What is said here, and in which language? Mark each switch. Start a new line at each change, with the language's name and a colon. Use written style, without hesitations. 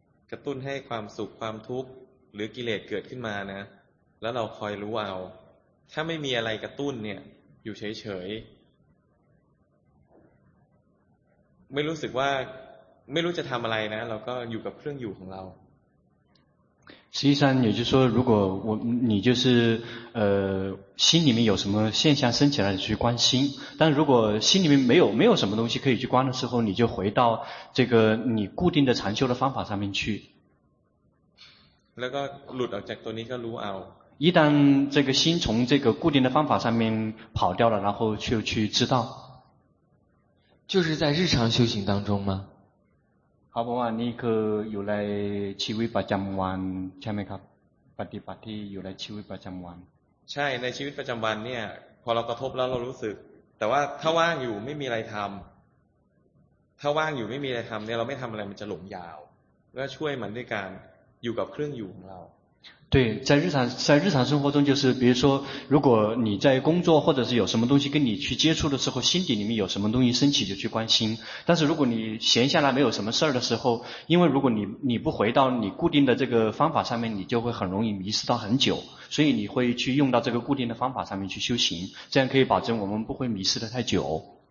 Thai: กระตุ้นให้ความสุขความทุกข์หรือกิเลสเกิดขึ้นมานะแล้วเราคอยรู้เอาถ้าไม่มีอะไรกระตุ้นเนี่ยอยู่เฉยๆไม่รู้สึกว่าไม่รู้จะทำอะไรนะเราก็อยู่กับเครื่องอยู่ของเรา
Chinese: 实际上也就是说如果我你就是心里面有什么现象升起来去关心但如果心里面没有什么东西可以去关的时候你就回到这个你固定的禅修的方法上面去
Thai: แล้วก็หลุดออกจากตัวนี้ก็รู้เอา
Chinese: 一旦这个心从这个固定的方法上面跑掉了然后去知道就是在日常修行当中吗
Thai: เขาบอกว่านี่คืออยู่ในชีวิตประจำวันใช่ไหมครับปฏิบัติที่อยู่ในชีวิตประจำวัน ใช่ในชีวิตประจำวันเนี่ยพอเรากระทบแล้วเรารู้สึกแต่ว่าถ้าว่างอยู่ไม่มีอะไรทำถ้าว่างอยู่ไม่มีอะไรทำเนี่ยเราไม่ทำอะไรมันจะหลงยาวก็ช่วยมันด้วยการอยู่กับเครื่องอยู่ของเรา
Chinese: 对在日常生活中就是比如说如果你在工作或者是有什么东西跟你去接触的时候心底里面有什么东西升起就去关心但是如果你闲下来没有什么事儿的时候因为如果你不回到你固定的这个方法上面你就会很容易迷失到很久所以你会去用到这个固定的方法上面去修行这样可以保证我们不会迷失的太久